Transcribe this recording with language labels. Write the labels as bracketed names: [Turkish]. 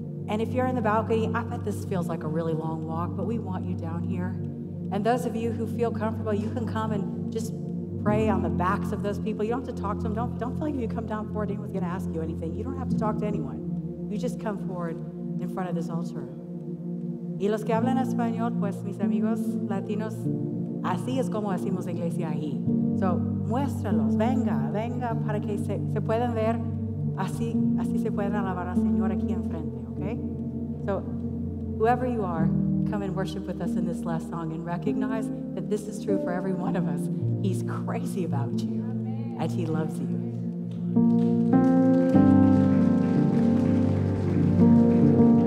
[English] And if you're in the balcony, I bet this feels like a really long walk, but we want you down here. And those of you who feel comfortable, you can come and just pray on the backs of those people. You don't have to talk to them. Don't feel like if you come down forward, anyone's going to ask you anything. You don't have to talk to anyone. You just come forward in front of this altar. [Spanish] Y los que hablan español, pues mis amigos latinos, así es como decimos iglesia ahí. So, muéstralos, venga, para que se puedan ver, así se pueden alabar al Señor aquí enfrente. [English] Okay? So whoever you are, come and worship with us in this last song and recognize that this is true for every one of us. He's crazy about you, and he loves you.